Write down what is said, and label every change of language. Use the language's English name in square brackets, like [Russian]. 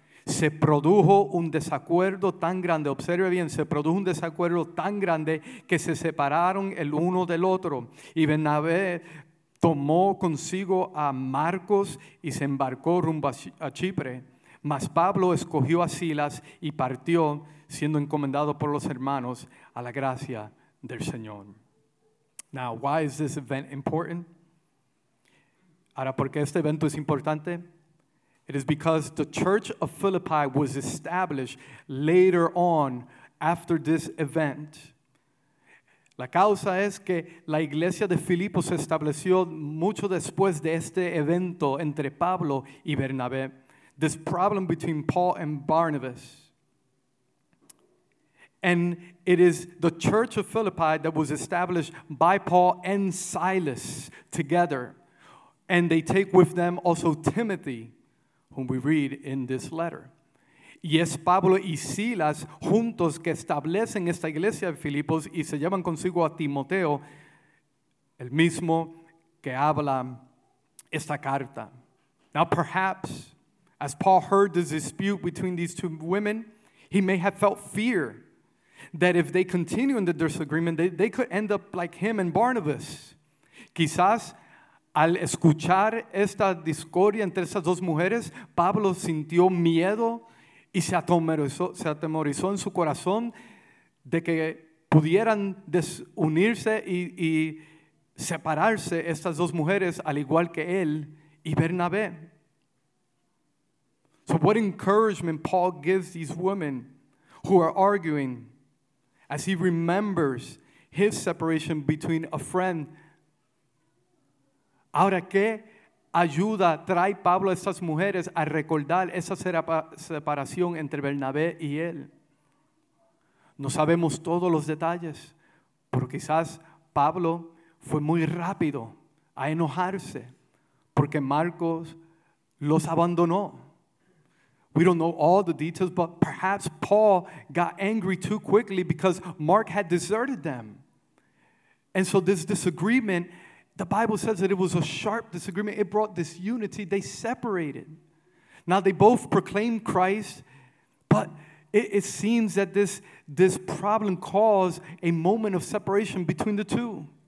[Spanish] Se produjo un desacuerdo tan grande, observe bien, se produjo un desacuerdo tan grande que se separaron el uno del otro. Y Bernabé tomó consigo a Marcos y se embarcó rumbo a Chipre. Mas Pablo escogió a Silas y partió, siendo encomendado por los hermanos a la gracia del Señor. [English] Now, why is this event important? [Spanish] Ahora, ¿por qué este evento es importante? [English] It is because the church of Philippi was established later on after this event. [Spanish] La causa es que la iglesia de Filipos se estableció mucho después de este evento entre Pablo y Bernabé. [English] This problem between Paul and Barnabas. And it is the church of Philippi that was established by Paul and Silas together. And they take with them also Timothy, whom we read in this letter. [Spanish] Y es Pablo y Silas juntos que establecen esta iglesia de Filipos y se llevan consigo a Timoteo, el mismo que habla esta carta. [English] Now perhaps, as Paul heard the dispute between these two women, he may have felt fear that if they continue in the disagreement, they could end up like him and Barnabas. [Spanish] Quizás, al escuchar esta discordia entre estas dos mujeres, Pablo sintió miedo y se atemorizó en su corazón de que pudieran desunirse y separarse estas dos mujeres, al igual que él y Bernabé. [English] So what encouragement Paul gives these women who are arguing as he remembers his separation between a friend. [Spanish] Ahora, ¿qué ayuda trae Pablo a estas mujeres a recordar esa separación entre Bernabé y él? No sabemos todos los detalles, pero quizás Pablo fue muy rápido a enojarse porque Marcos los abandonó. [English] We don't know all the details, but perhaps Paul got angry too quickly because Mark had deserted them. And so this disagreement, the Bible says that it was a sharp disagreement. It brought disunity. They separated. Now they both proclaimed Christ, but it seems that this problem caused a moment of separation between the two.